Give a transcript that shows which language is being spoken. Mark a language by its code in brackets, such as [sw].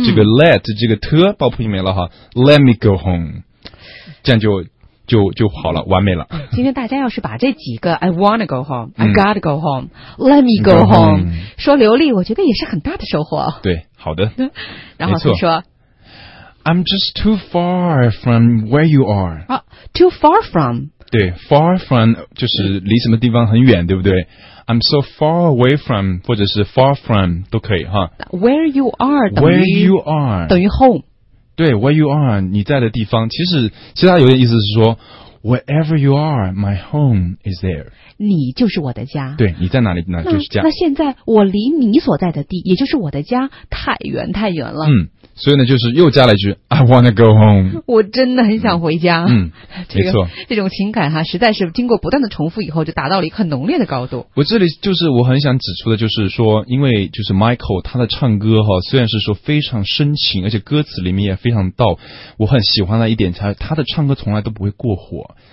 [zh] 这个 let 这个 t 爆破音没了哈 [en] let me go home [zh] 这样就好了完美了今天大家要是把这几个 [en] I wanna go home、嗯、 I gotta go home let me go home [zh] 说流利我觉得也是很大的收获对好的然后他说 [en] I'm just too far from where you are、啊、too far from [zh] 对 far from 就是离什么地方很远对不对 [en] I'm so far away from [zh] 或者是 far from 都可以哈 [en] where you are 等于 where you are [zh] 等于 home [en] 对 where you are [zh] 你在的地方其实他有点意思是说 [en] Wherever you are, my home is there. [zh] 你就是我的家。对，你在哪里，那就是家。那现在我离你所在的地，也就是我的家，太远太远了。嗯，所以呢，就是又加了一句 [en] I wanna go home. [zh] 我真的很想回家。嗯，没错，这种情感哈，实在是经过不断的重复以后，就达到了一个很浓烈的高度。我这里就是我很想指出的，就是说，因为就是 Michael 他的唱歌哈，虽然是说非常深情，而且歌词里面也非常到，我很喜欢的一点，他的唱歌从来都不会过火。